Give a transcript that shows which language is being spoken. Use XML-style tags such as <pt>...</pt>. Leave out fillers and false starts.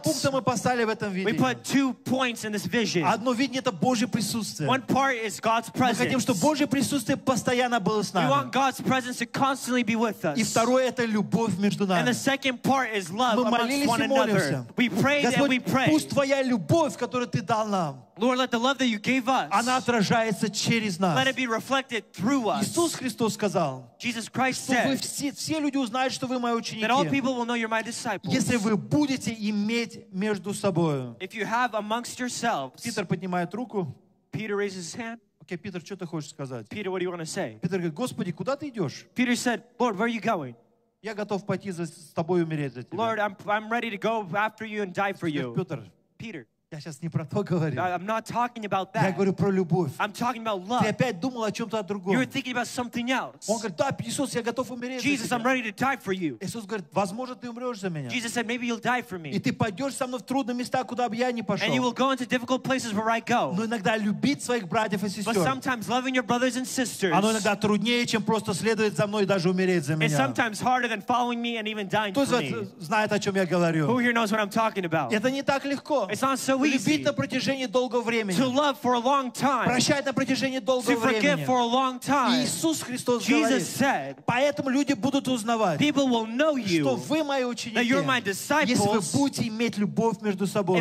<ru>два пункта мы поставили в этом видении.</ru> <en>We put two points in this vision.</en> <ru>Одно видение — это Божье присутствие.</ru> <en>One part is God's presence.</en> <ru>Мы хотим, чтобы Божье присутствие постоянно было с нами.</ru> <en>We want God's presence to constantly be with us.</en> <ru>И второе — это любовь между нами.</ru> <en>And the second part is love</en> <ru>Мы молились</ru> <en>amongst one another.</en> <ru>И молимся.</ru> <en>We prayed</en> <ru>Господь,</ru> <en>and we prayed.</en> <ru>Пусть Твоя любовь, которую Ты дал нам,</ru> <en>Lord, let the love that you gave us</en> <ru>она отражается через нас.</ru> <en>Let it be reflected through us.</en> <ru>Иисус Христос сказал,</ru> <en>Jesus Christ said,</en> <ru>что все люди узнают, что вы мои ученики,</ru> <en>that all people will know you're my disciples.</en> <ru>Если вы будете иметь между собой.</ru> <en>If you have amongst yourselves,</en> <ru>Питер поднимает руку.</ru> <en>Peter raises his hand.</en> <ru>Окей, Питер, что ты хочешь сказать?</ru> <en>Peter, what do you want to say?</en> <ru>Питер говорит, Господи, куда ты идешь?</ru> <en>Peter said, Lord, where are you going?</en> <ru>Я готов пойти за с тобой умереть за тебя.</ru> <en>Lord, I'm ready to go after you and die for you.</en> <ru>Питер.</ru> <en>Peter.</en> <ru>Я сейчас не про то говорю.</ru> <en>I'm not talking about that.</en> <ru>Я говорю про любовь.</ru> <en>I'm talking about love.</en> <ru>Ты опять думал о чем-то другом.</ru> <en>You're thinking about something else.</en> <ru>Он говорит, да, Иисус, я готов умереть</ru> <en>Jesus,</en> <ru>за тебя.</ru> <en>I'm ready to die for you.</en> <ru>Иисус говорит, возможно, ты умрешь за меня.</ru> <en>Jesus said, maybe you'll die for me.</en> <ru>И ты пойдешь со мной в трудные места, куда бы я не пошел.</ru> <en>And you will go into difficult places where I go.</en> <ru>Но иногда любить своих братьев и сестер.</ru> <en>But sometimes loving your brothers and sisters.</en> <ru>Оно иногда труднее, чем просто следовать за мной и даже умереть за меня.</ru> <en>It's sometimes harder than following me and even dying</en> <ru>Кто</ru> <en>for me.</en> <ru>Кто знает, о чем я говорю?</ru> <en>Who here knows what I'm talking about?</en> <ru>Это не так легко.</ru> <en>It's not so</en> <ru>любить на протяжении долгого времени.</ru> <en>To love for a long time.</en> <ru>Прощать на протяжении долгого времени.</ru> <en>To forgive For a long time.</en> <ru>Иисус Христос</ru> <en>Jesus</en> <ru>говорит,</ru> <en>said,</en> <ru>поэтому люди будут узнавать,</ru> <en>people will know you,</en> <ru>что вы мои ученики,</ru> <en>that you're my disciples,</en> <ru>если вы будете иметь любовь между собой.</ru>